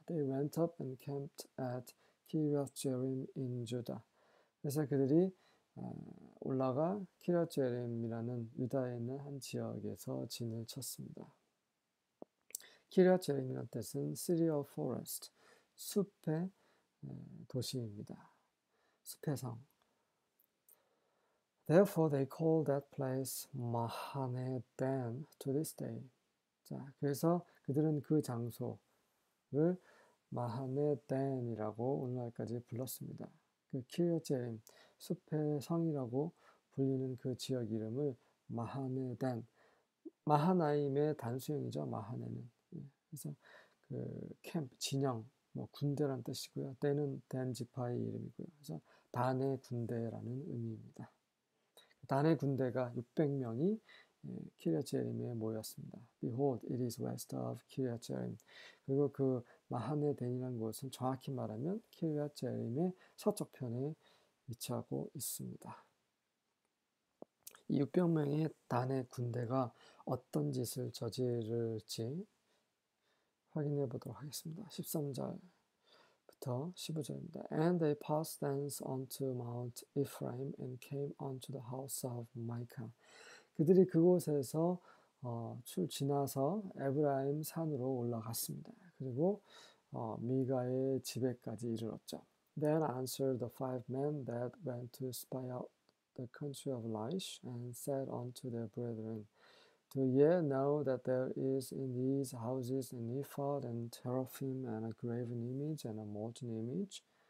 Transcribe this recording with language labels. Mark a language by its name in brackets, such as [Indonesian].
[English] They went up and camped at Kiriath Jearim in Judah. [Korean] 그래서 그들이 올라가 키리앗 제림이라는 유다에 있는 한 지역에서 진을 쳤습니다. 키리앗 제림이란 뜻은 [English] City of Forest, [Korean] 숲의 도시입니다. 숲의 성. [English] Therefore, they call that place Mahane Dan to this day. [Korean] 자, 그래서 그들은 그 장소를 마하네 댄이라고 오늘날까지 불렀습니다. 그 키리앗 제림, 숲의 성이라고 불리는 그 지역 이름을 마하네 댄, 마하나임의 단수형이죠. 마하네는 그래서 그 캠프, 진영, 뭐 군대란 뜻이고요. 댄은 댄 지파의 이름이고요. 그래서 단의 군대라는 의미입니다. 단의 군대가 600명이 키리앗 제림에 모였습니다. [English] Behold, it is west of Kiriath Jearim. [Korean] 그리고 그 마하네 댄이라는 곳은 정확히 말하면 키리앗 제림의 서쪽 편에 위치하고 있습니다. 이 600명의 단의 군대가 어떤 짓을 저지를지 확인해 보도록 하겠습니다. 13절부터 15절입니다. [English] And they passed thence onto Mount Ephraim and came unto the house of Micah. [Korean] 그들이 그곳에서 지나서 에브라임 산으로 올라갔습니다. 그리고 미가의 집에까지 이르렀죠. [English] Then answered the five men that went to spy out the country of Laish and said unto their brethren, Do ye know that there is in these houses an ephod and teraphim and a graven image and a molten image?